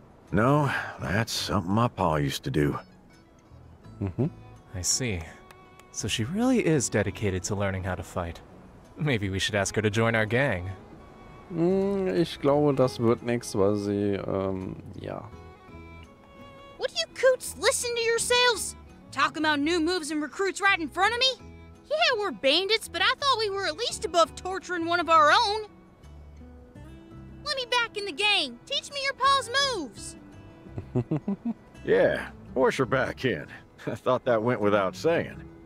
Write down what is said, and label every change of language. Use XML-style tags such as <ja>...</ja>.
<en>No, that's something my pa used to do. Mm-hmm. I see. So she really is dedicated to learning how to fight. Maybe we should ask her to join our gang.</en> <de>Ich glaube, das wird nichts, weil sie, ja.</de> <en>Would you coots listen to yourselves? Talk about new moves and recruits right in front of me? Yeah, we're bandits, but I thought we were at least above torturing one of our own. Let me back in the gang. Teach me your paw's moves. Yeah, force her back in. I thought that went without saying.</en>